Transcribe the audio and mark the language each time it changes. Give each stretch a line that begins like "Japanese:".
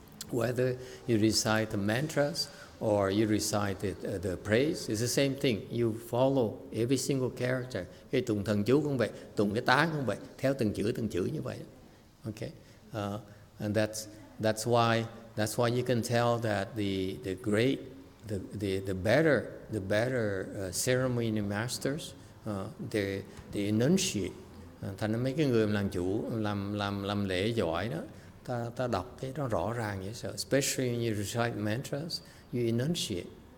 English: Whether you recite the mantras or you recite the praise, it's the same thing. You follow every single character.
Vietnamese: Khi tụng thần chú cũng vậy, tụng cái tán cũng vậy, theo từng chữ như vậy.
English: Okay, and that's why you can tell that the better ceremony masters, they enunciate.
Vietnamese: Thành ra mấy cái người làm chủ, làm lễ giỏi đó, ta đọc cái đó rõ ràng vậy sao?
English: Especially when you recite mantras, you enunciate.